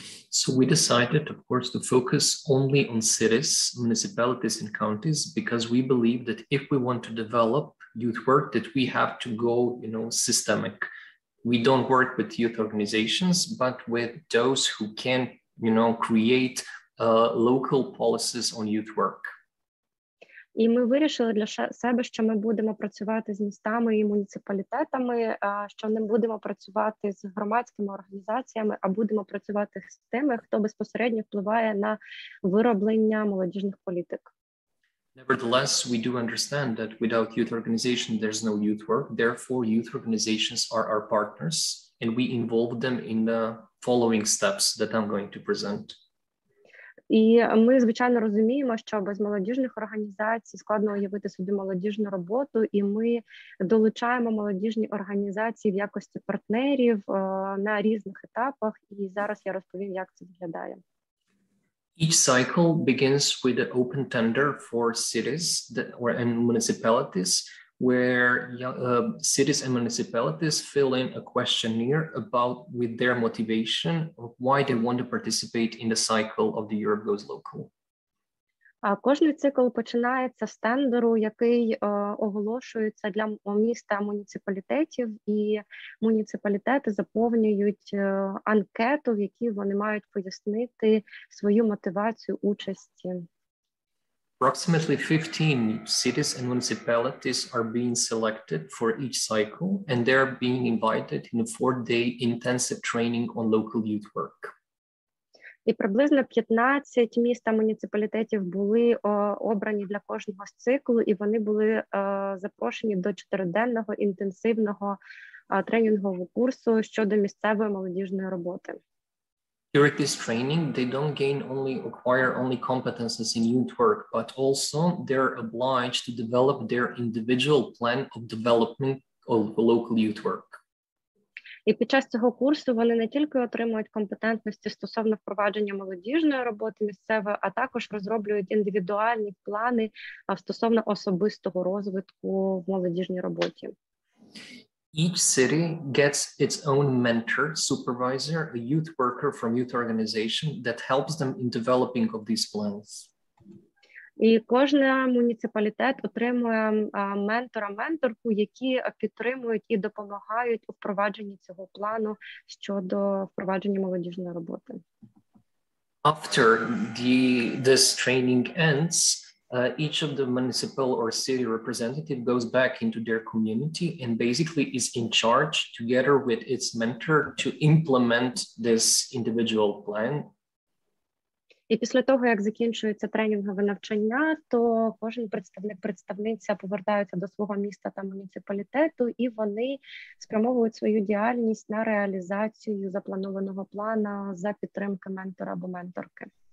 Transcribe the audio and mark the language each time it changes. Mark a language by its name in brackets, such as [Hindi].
[English] So we decided, of course, to focus only on cities, municipalities and counties, because we believe that if we want to develop youth work, that we have to go, you know, systemic. We don't work with youth organizations, but with those who can, you know, create local policies on youth work. [Ukrainian] І ми вирішили для себе, що ми будемо працювати з містами і муніципалітетами, що не будемо працювати з громадськими організаціями, а будемо працювати з тими, хто безпосередньо впливає на вироблення молодіжних політик. [English] Nevertheless, we do understand that without youth organization, there's no youth work. Therefore, youth organizations are our partners, and we involve them in the following steps that I'm going to present. [Ukrainian] І ми, звичайно, розуміємо, що без молодіжних організацій складно уявити собі молодіжну роботу, і ми долучаємо молодіжні організації в якості партнерів на різних етапах, і зараз я розповім, як це виглядає. [English] Each cycle begins with an open tender for cities and municipalities, where cities and municipalities fill in a questionnaire about with their motivation of why they want to participate in the cycle of the Europe Goes Local. [Ukrainian] Кожний цикл починається з тендеру, який оголошується для міста муніципалітетів, і муніципалітети заповнюють анкету, в якій вони мають пояснити свою мотивацію участі. [English] Approximately 15 cities and municipalities are being selected for each cycle, and they are being invited in a 4-day intensive training on local youth work. [Ukrainian] І приблизно 15 міст та муніципалітетів були обрані для кожного з циклу, і вони були запрошені до 4-денного інтенсивного тренінгового курсу щодо місцевої молодіжної роботи. [English] During this training, they don't gain only acquire only competences in youth work, but also they're obliged to develop their individual plan of development of local youth work. [Ukrainian] І під час цього курсу вони не тільки отримують компетентності стосовно впровадження молодіжної роботи місцевої, а також розроблюють індивідуальні плани стосовно особистого розвитку в молодіжній роботі. [English] Each city gets its own mentor, supervisor, a youth worker from youth organization that helps them in developing of these plans. [Ukrainian] І кожен муніципалітет отримує ментора-менторку, які підтримують і допомагають у впровадженні цього плану щодо впровадження молодіжної роботи. [English] After this training ends, each of the municipal or city representative goes back into their community and basically is in charge together with its mentor to implement this individual plan. [Ukrainian] І після того, як закінчується тренінгове навчання, то кожен представник-представниця повертається до свого міста та муніципалітету, і вони спрямовують свою діяльність на реалізацію запланованого плана за підтримки ментора або менторки.